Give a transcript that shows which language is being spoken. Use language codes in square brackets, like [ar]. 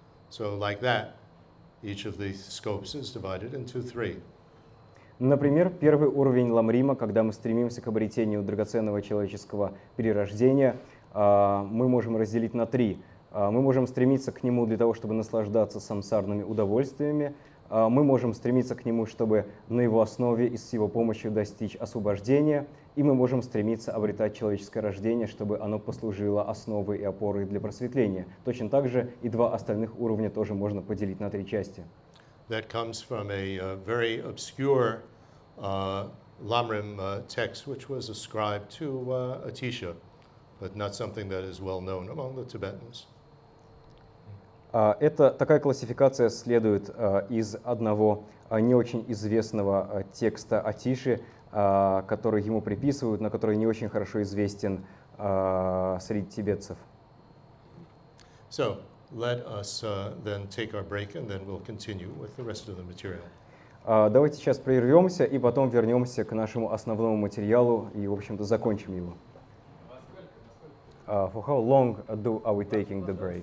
[en] So like that, each of the scopes is divided into three. [ru] Например, первый уровень Ламрима, когда мы стремимся к обретению драгоценного человеческого перерождения, мы можем разделить на три. Мы можем стремиться к нему для того, чтобы наслаждаться самсарными удовольствиями. Мы можем стремиться к нему, чтобы на его основе и с его помощью достичь освобождения, и мы можем стремиться обретать человеческое рождение, чтобы оно послужило основой и опорой для просветления. Точно так же и два остальных уровня тоже можно поделить на три части. [en] That comes from a very obscure Lamrim text, which was ascribed to Atisha, but not something that is well known among the Tibetans. [ru] Это такая классификация следует из одного не очень известного текста Атиши, который ему приписывают, но который не очень хорошо известен среди тибетцев. [en] So, let us then take our break, and then we'll continue with the rest of the material. [ru] Давайте сейчас прервемся и потом вернемся к нашему основному материалу и, в общем-то, закончим его. [en] For how long are we taking the break?